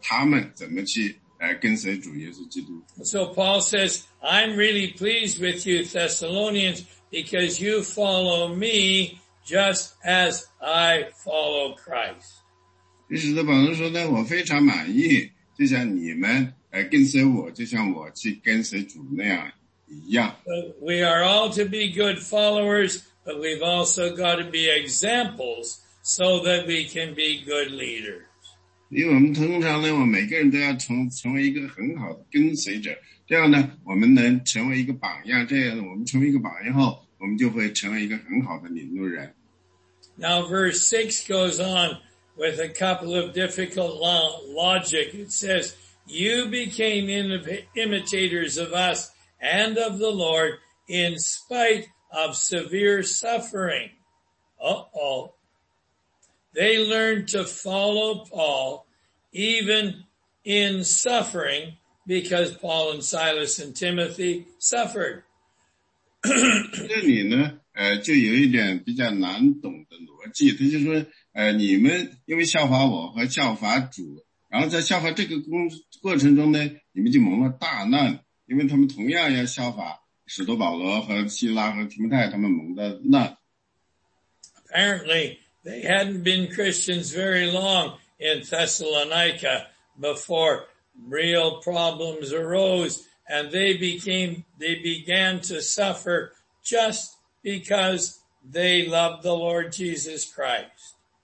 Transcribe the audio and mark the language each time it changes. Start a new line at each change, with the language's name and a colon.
Chinese: 特别是当我们是还小的时候呢,我们跟随那些属神的人,他们怎么去跟随主耶稣基督。
English: So Paul says, I'm really pleased with you Thessalonians because you follow me just as I follow Christ.
Chinese: 于是保罗说呢,我非常满意,就像你们跟随我,就像我去跟随主那样一样。
English: We are all to be good followers, but we've also got to be examples so that we can be good leaders.
Chinese: 因为我们通常呢,我每个人都要成为一个很好的跟随者,这样呢,我们能成为一个榜样,这样我们成为一个榜样后,我们就会成为一个很好的领路人。
English: Now verse 6 goes on with a couple of difficult logic. It says, you became imitators of us and of the Lord in spite of severe suffering. Uh-oh. They learned to follow Paul even in suffering, because Paul and Silas and Timothy suffered.
Chinese: 这里呢，就有一点比较难懂的逻辑。他就说，你们因为效法我和效法主，然后在效法这个过程中呢，你们就蒙了大难，因为他们同样要效法使徒保罗和希拉和提摩太他们蒙的难。
English: Apparently, they hadn't been Christians very long in Thessalonica before real problems arose, and they began to suffer just because they loved the Lord Jesus Christ.